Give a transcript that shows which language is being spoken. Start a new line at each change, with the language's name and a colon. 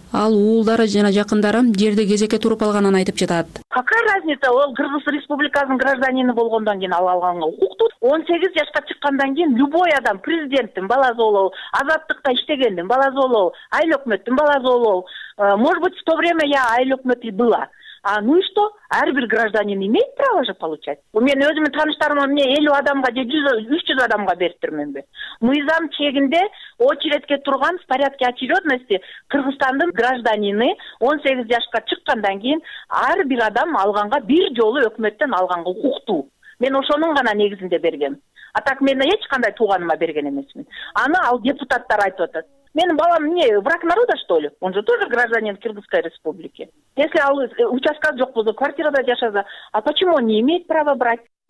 Kyrgyz: Ал уулдары жана жакындары жерди кезекке туруп алганын айтып жатат.
Russian: Какая разница,
Kyrgyz: ол Кыргыз Республикасынын гражданини болгондон кийин ал алган укуктуу. 18 жашка чыккандан кийин любой адам президенттин баласы болобу, азаттыкта иштегендин баласы болобу, айыл өкмөттүн баласы болобу.
Russian: Может быть, в то время я айыл өкмөтү была. А ну и что?
Kyrgyz: Ар бир гражданин
Russian: имеет право же получать. У меня
Kyrgyz: өзүмүн тааныштарыма мен 50 адамга же 300 адамга бериптирменби. Мыйзам чегинде очередке турган
Russian: в порядке очередности
Kyrgyz: Кыргызстандын гражданини 18 жашка чыккандан кийин ар бир адам алганга бир жолу өкмөттөн алган укуктуу. Мен ошонун гана негизинде бергем. А так мен эч кандай тууганыма берген эмесмин. Аны ал депутаттар айтып атат. Менин балам эмне
Russian: враг народа что ли? Он же тоже гражданин Кыргызской Республики. Если
Kyrgyz: ал участкасы жок болсо, квартирада жашаса,
Russian: а почему он не имеет права брать?